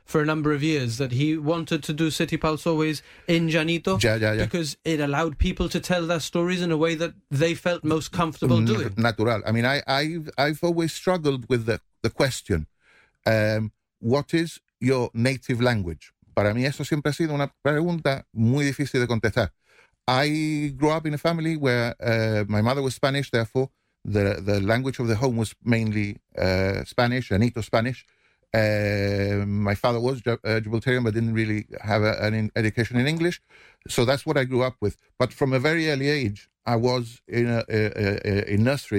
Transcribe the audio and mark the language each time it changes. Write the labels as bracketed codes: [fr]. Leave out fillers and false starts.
[en] for a number of years, that he wanted to do City Pulse Always in Llanito, because it allowed people to tell their stories in a way that they felt most comfortable doing. Natural. I mean, I've always struggled with the question, what is your native language? [es] Para mí eso siempre ha sido una pregunta muy difícil de contestar. [en] I grew up in a family where my mother was Spanish, therefore the language of the home was mainly Spanish, Llanito Spanish. My father was Gibraltarian, but didn't really have an education in English. So that's what I grew up with. But from a very early age, I was in nursery.